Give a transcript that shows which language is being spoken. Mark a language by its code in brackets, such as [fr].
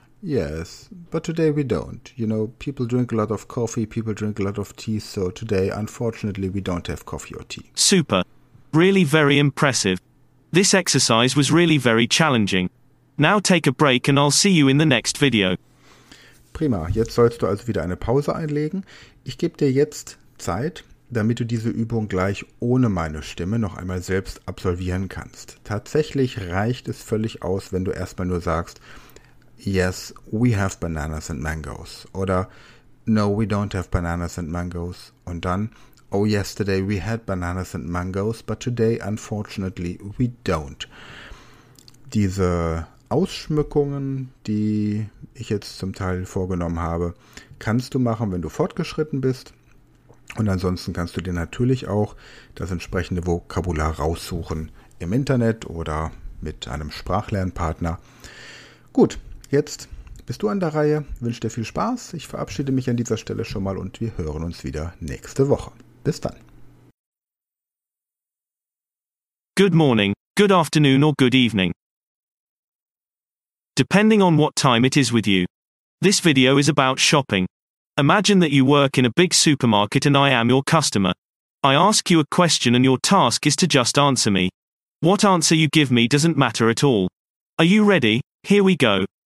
[en] Yes, but today we don't. You know, people drink a lot of coffee, people drink a lot of tea, so today, unfortunately, we don't have coffee or tea. Super. Really very impressive. This exercise was really very challenging. Now take a break and I'll see you in the next video. [de] Prima, jetzt sollst du also wieder eine Pause einlegen. Ich gebe dir jetzt Zeit, damit du diese Übung gleich ohne meine Stimme noch einmal selbst absolvieren kannst. Tatsächlich reicht es völlig aus, wenn du erstmal nur sagst, [en] yes, we have bananas and mangoes. [de] Oder [en] no, we don't have bananas and mangoes. [de] Und dann, [en] Oh, yesterday we had bananas and mangoes, but today unfortunately we don't. [de] Diese Ausschmückungen, die ich jetzt zum Teil vorgenommen habe, kannst du machen, wenn du fortgeschritten bist. Und ansonsten kannst du dir natürlich auch das entsprechende Vokabular raussuchen im Internet oder mit einem Sprachlernpartner. Gut, jetzt bist du an der Reihe. Wünsche dir viel Spaß. Ich verabschiede mich an dieser Stelle schon mal und wir hören uns wieder nächste Woche. Bis dann. [en] Good morning, good afternoon or good evening. Depending on what time it is with you. This video is about shopping. Imagine that you work in a big supermarket and I am your customer. I ask you a question and your task is to just answer me. What answer you give me doesn't matter at all. Are you ready? Here we go.